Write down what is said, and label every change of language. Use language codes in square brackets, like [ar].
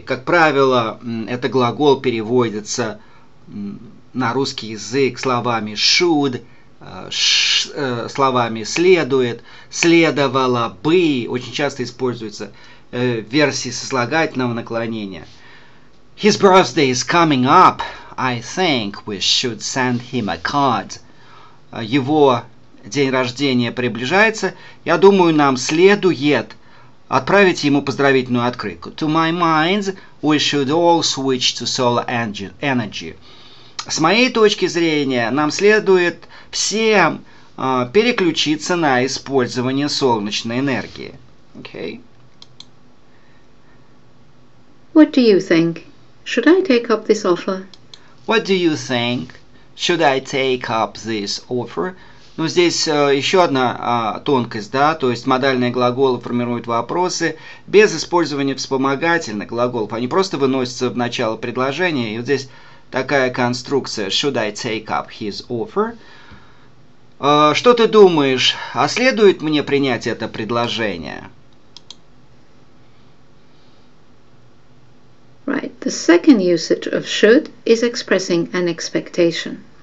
[ru] Как правило, этот глагол переводится на русский язык словами should, словами следует, следовало бы. Очень часто используется в версии сослагательного наклонения. [en] His birthday is coming up. I think we should send him a card. [ru] Его день рождения приближается. Я думаю, нам следует отправить ему поздравительную открытку. [en] To my mind, we should all switch to solar energy. [ru] С моей точки зрения, нам следует всем переключиться на использование солнечной энергии. [en] Okay. What do you think? Should I take up this offer? What do you think? Should I take up this offer? [ru] Ну, здесь еще одна тонкость, да, то есть модальные глаголы формируют вопросы без использования вспомогательных глаголов. Они просто выносятся в начало предложения. И вот здесь такая конструкция: [en] should I take up his offer? [ru] Что ты думаешь, а следует мне принять это предложение? [en] Right. The second usage of should is expressing an expectation.